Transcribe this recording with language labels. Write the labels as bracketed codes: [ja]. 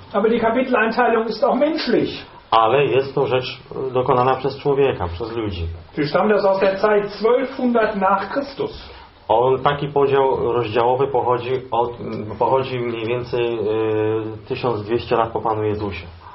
[de] Aber die Kapiteleinteilung ist auch menschlich. [pl] Ale jest to rzecz dokonana przez człowieka, przez ludzi. [de] Wir stammen das aus der Zeit 1200 nach Christus. [pl] On taki podział rozdziałowy pochodzi od mniej więcej 1200 lat po Panu Jezusie.